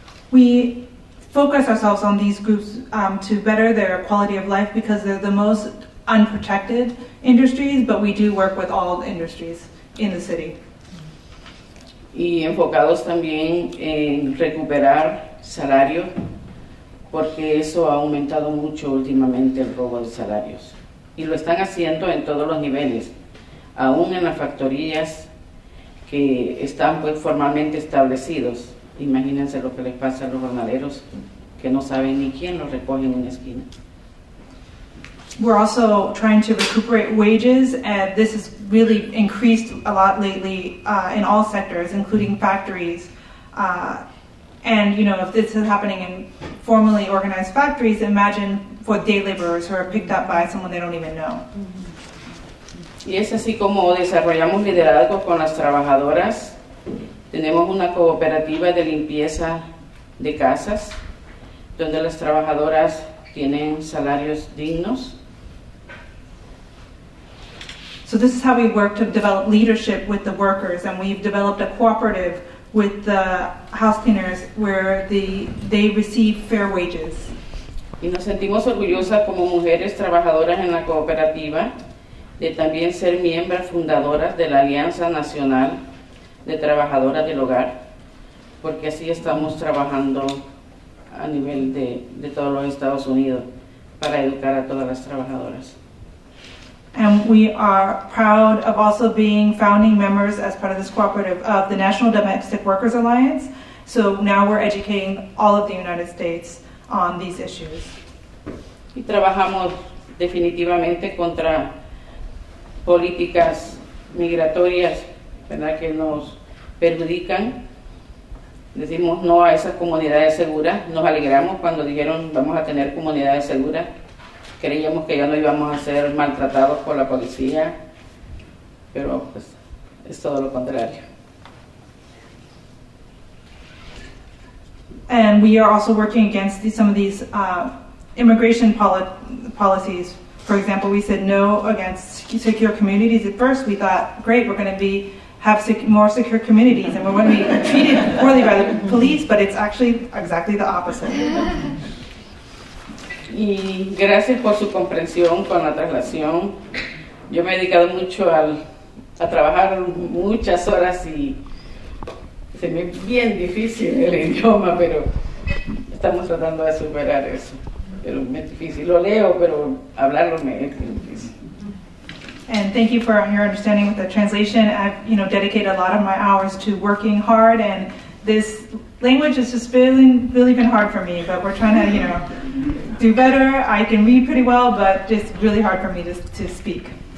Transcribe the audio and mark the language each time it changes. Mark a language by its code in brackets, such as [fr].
[en] We focus ourselves on these groups to better their quality of life because they're the most unprotected industries, but we do work with all the industries in the city. [es] Y enfocados también en recuperar salario, porque eso ha aumentado mucho últimamente el robo de salarios. Y lo están haciendo en todos los niveles, aún en las factorías que están pues formalmente establecidos. Imagínense lo que les pasa a los jornaleros que no saben ni quién los recoge en una esquina. [en] We're also trying to recuperate wages, and this has really increased a lot lately in all sectors, including factories. And you know, if this is happening in formally organized factories, imagine for day laborers who are picked up by someone they don't even know. [es] Y es así como desarrollamos liderazgo con las trabajadoras. Tenemos una cooperativa de limpieza de casas donde las trabajadoras tienen salarios dignos. [en] So this is how we work to develop leadership with the workers, and we've developed a cooperative with the house cleaners where they receive fair wages. [es] Y nos sentimos orgullosas como mujeres trabajadoras en la cooperativa de también ser miembros fundadoras de la Alianza Nacional de Trabajadoras del Hogar, porque así estamos trabajando a nivel de todos los Estados Unidos para educar a todas las trabajadoras. [en] And we are proud of also being founding members as part of this cooperative of the National Domestic Workers Alliance. So now we're educating all of the United States on these issues. [es] Y trabajamos definitivamente contra políticas migratorias, ¿verdad?, que nos perjudican. Decimos no a esas comunidades seguras. Nos alegramos cuando dijeron vamos a tener comunidades seguras. Creíamos que ya no íbamos a ser maltratados por la policía, pero pues es todo lo contrario. [en] And we are also working against some of these immigration policies. For example, we said no against secure communities. At first we thought, great, we're going to have more secure communities and we're going to be treated poorly by the police, but it's actually exactly the opposite. [es] Y gracias por su comprensión con la traslación. Yo me he dedicado mucho a trabajar muchas horas y se me es bien difícil el idioma, pero estamos tratando de superar eso. Pero es difícil. Lo leo, pero hablarlo me es difícil. [en] And thank you for your understanding with the translation. I've, you know, dedicated a lot of my hours to working hard, and this language has just really been hard for me, but we're trying to, you know, do better. I can read pretty well, but it's really hard for me to speak.